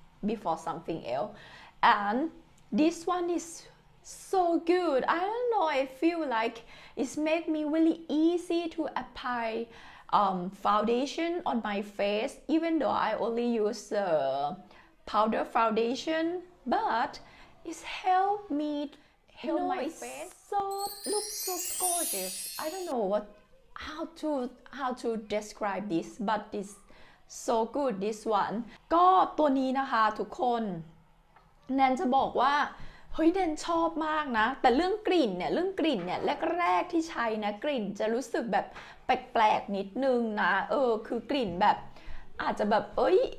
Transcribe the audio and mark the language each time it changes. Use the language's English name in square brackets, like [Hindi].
[English] before something else and this one is so good I don't know I feel like it's make me really easy to apply foundation on my face even though I only use powder foundation but it's helped my face looks so gorgeous. I don't know how to describe this, but it's so good. This one. [Thai] ก็ตัวนี้นะคะทุกคนแนนจะบอกว่าเฮ้ยแนนชอบมากนะแต่เรื่องกลิ่นเนี่ยแรกที่ใช้นะกลิ่นจะรู้สึกแบบแปลกๆนิดนึงนะคือกลิ่นแบบอาจจะแบบเอ้ย